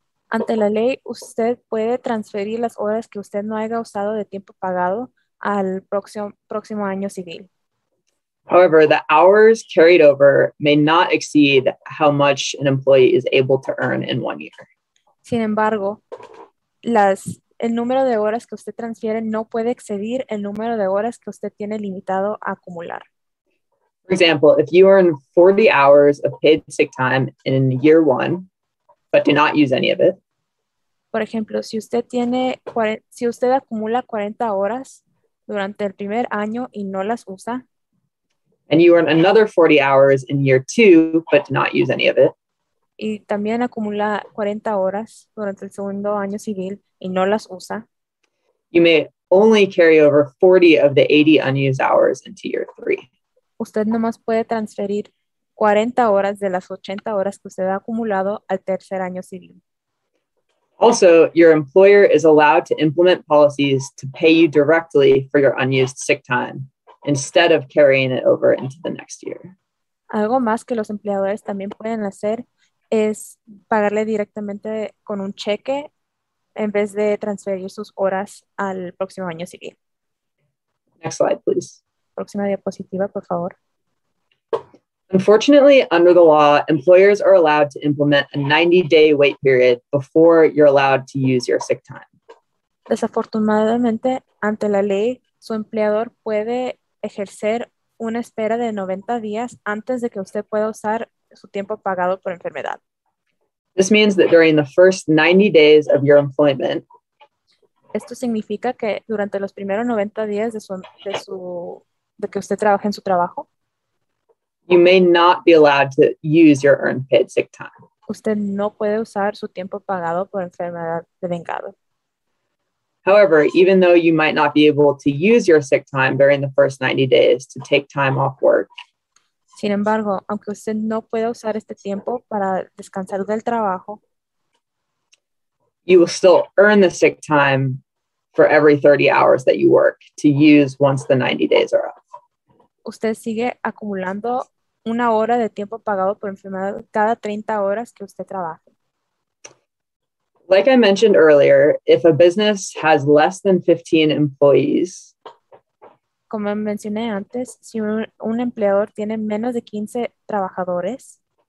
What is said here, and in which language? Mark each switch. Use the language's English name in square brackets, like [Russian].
[Spanish] Ante la ley, usted puede transferir las horas que usted no haya usado de tiempo pagado al próximo año civil. [English] However, the hours carried over may not exceed how much an employee is able to earn in 1 year. [Spanish] Sin embargo, el número de horas que usted transfiere no puede exceder el número de horas que usted tiene limitado a acumular. [English] For example, if you earn 40 hours of paid sick time in year one, but do not use any of it. [Spanish] Por ejemplo, si usted acumula 40 horas durante el primer año y no las usa, [English] and you earn another 40 hours in year two, but do not use any of it. [Spanish] Y también acumula 40 horas durante el segundo año civil y no las usa. [English] You may only carry over 40 of the 80 unused hours into year three. [Spanish] Usted nomás puede transferir 40 horas de las 80 horas que usted ha acumulado al tercer año civil. [English] Also, your employer is allowed to implement policies to pay you directly for your unused sick time, instead of carrying it over into the next year. [Spanish] Algo más que los empleadores también pueden hacer es pagarle directamente con un cheque en vez de transferir sus horas al próximo año civil. [English] Next slide, please. [Spanish] Próxima diapositiva, por favor. [English] Unfortunately, under the law, employers are allowed to implement a 90-day wait period before you're allowed to use your sick time. [Spanish] Desafortunadamente, ante la ley, su empleador puede ejercer una espera de 90 días antes de que usted pueda usar su tiempo pagado por enfermedad. [English] This means that during the first 90 days of your employment, [Spanish] esto significa que durante los primeros 90 días de que usted trabaje en su trabajo, [English] you may not be allowed to use your earned paid sick time. [Spanish] Usted no puede usar su tiempo pagado por enfermedad de vengado. [English] However, even though you might not be able to use your sick time during the first 90 days to take time off work, [Spanish] sin embargo, aunque usted no pueda usar este tiempo para descansar del trabajo, [English] you will still earn the sick time for every 30 hours that you work to use once the 90 days are up. [Spanish] Usted sigue acumulando una hora de tiempo pagado por enfermedad cada 30 horas que usted trabaje. [English] Like I mentioned earlier, if a business has less than 15 employees, [Spanish] como mencioné antes, si un empleador tiene menos de 15 trabajadores,